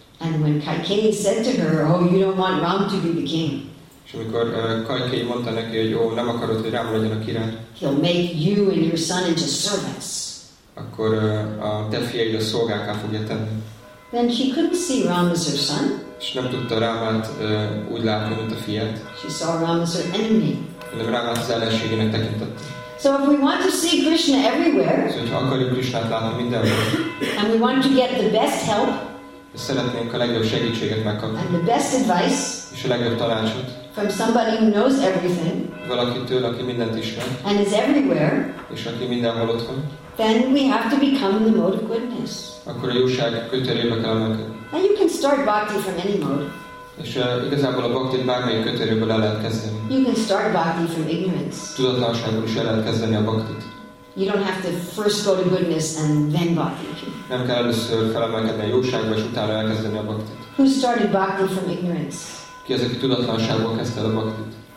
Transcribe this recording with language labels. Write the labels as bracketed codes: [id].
[en] And when Kaikeyi said to her, oh, you don't want Ram to be the king. [hu] És amikor Kaikeyi mondta neki, hogy jó, nem akarod, hogy Rám legyen a király. [en] He'll make you and your son into servants. [hu] Akkor a te fiaid a szolgákká fogja tenni. [en] Then she couldn't see Ram as her son. [hu] És nem tudta Rámát úgy látni, mint a fiát. [en] She saw Ram as her enemy. [hu] Hanem Rámát az ellenségének tekintett. [en] So if we want to see Krishna everywhere. [hu] Szóval, ha akarjuk Krishnát látni mindenhol. [en] And we want to get the best help. [hu] És szeretnénk a legjobb segítséget megkapni. [en] And the best advice. [hu] És a legjobb tanácsot. [en] From somebody who knows everything. [hu] Valakitől, aki mindent ismer. [en] And is everywhere. [hu] És aki mindenhol ott van. [en] Then we have to become the mode of goodness. [hu] Akkor a jóság kötelébe kell emelkedni. [en] And you can start bhakti from any mode. [hu] És igazából a bhaktit bármelyik kötéről el lehet kezdeni. [en] You can start bhakti from ignorance. [hu] Tudatlanságból is el lehet kezdeni a bhaktit. [en] You don't have to first go to goodness and then bhakti. [hu] Nem kell először felemelkedni a jóságba, és utána elkezdeni a bhaktit. [en] Who started bhakti from ignorance? [hu] Ki az, aki tudatlanságból kezdte a bhaktit?